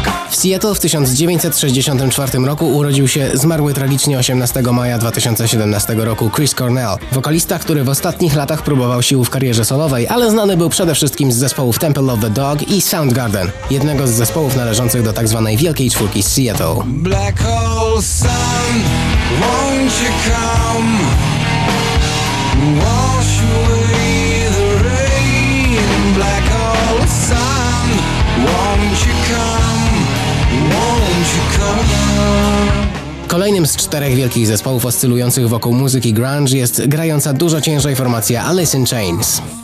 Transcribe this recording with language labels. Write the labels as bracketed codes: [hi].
[pl] W Seattle w 1964 roku urodził się zmarły tragicznie 18 maja 2017 roku Chris Cornell, wokalista, który w ostatnich latach próbował sił w karierze solowej, ale znany był przede wszystkim z zespołów Temple of the Dog i Soundgarden, jednego z zespołów należących do tzw. Wielkiej Czwórki z Seattle. [en] Black hole sun, won't you come? Wash away the rain. Black hole sun, won't you come? [pl] Kolejnym z czterech wielkich zespołów oscylujących wokół muzyki grunge jest grająca dużo ciężej formacja Alice in Chains.